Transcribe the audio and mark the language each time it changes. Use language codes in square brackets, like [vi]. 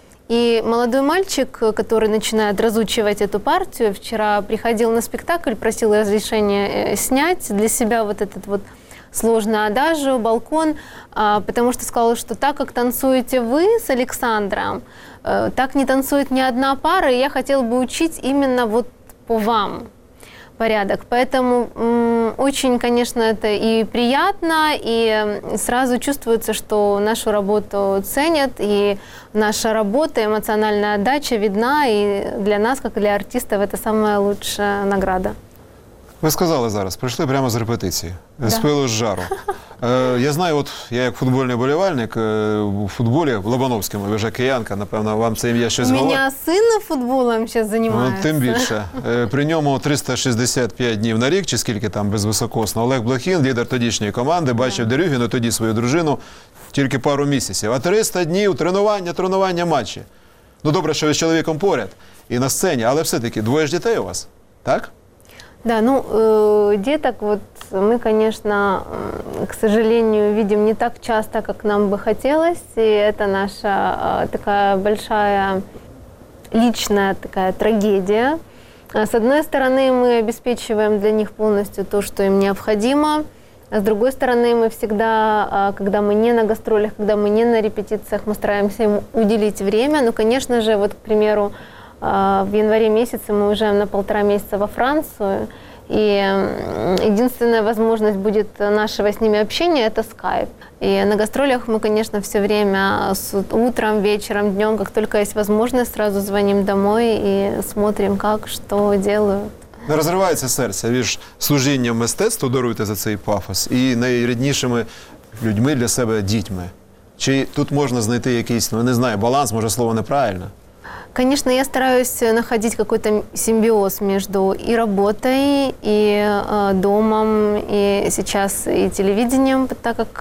[ru] И молодой мальчик, который начинает разучивать эту партию, вчера приходил на спектакль, просил разрешения снять для себя вот этот вот сложный адажио, балкон, потому что сказал, что так как танцуете вы с Александром, так не танцует ни одна пара, и я хотел бы учить именно вот по вам порядок. Поэтому очень, конечно, это и приятно, и сразу чувствуется, что нашу работу ценят, и наша работа, эмоциональная отдача видна, и для нас, как для артистов, это самая лучшая награда. [uk] Ви сказали зараз, прийшли прямо з репетиції, да. З пилу, з жару. Я знаю, от я як футбольний болівальник, в футболі, в Лобановському, ви вже киянка, напевно, вам це ім'я щось говорить. У мене син футболом зараз займається. Ну, тим більше. При ньому 365 днів на рік, чи скільки там безвисокосно. Олег Блохін, лідер тодішньої команди, бачив Дерюгіну, тоді свою дружину, тільки пару місяців. А 300 днів тренування, матчі. Ну, добре, що ви з чоловіком поряд і на сцені, але все-таки двоє ж дітей у вас, так? [ru] Да, ну, деток вот мы, конечно, к сожалению, видим не так часто, как нам бы хотелось, и это наша такая большая личная такая трагедия. С одной стороны, мы обеспечиваем для них полностью то, что им необходимо, а с другой стороны, мы всегда, когда мы не на гастролях, когда мы не на репетициях, мы стараемся им уделить время, ну, конечно же, вот, к примеру, в январе месяце мы уезжаем на полтора месяца во Францию, и единственная возможность будет нашего с ними общения – это скайп. И на гастролях мы, конечно, все время с утром, вечером, днем, как только есть возможность, сразу звоним домой и смотрим, как, что делают. [uk] Не розривається серце між служінням мистецтву, даруйте за цей пафос, і найріднішими людьми для себе – дітьми. Чи тут можна знайти якийсь, ну, не знаю, баланс, може слово неправильно? [ru] Конечно, я стараюсь находить какой-то симбиоз между и работой, и домом, и сейчас и телевидением, так как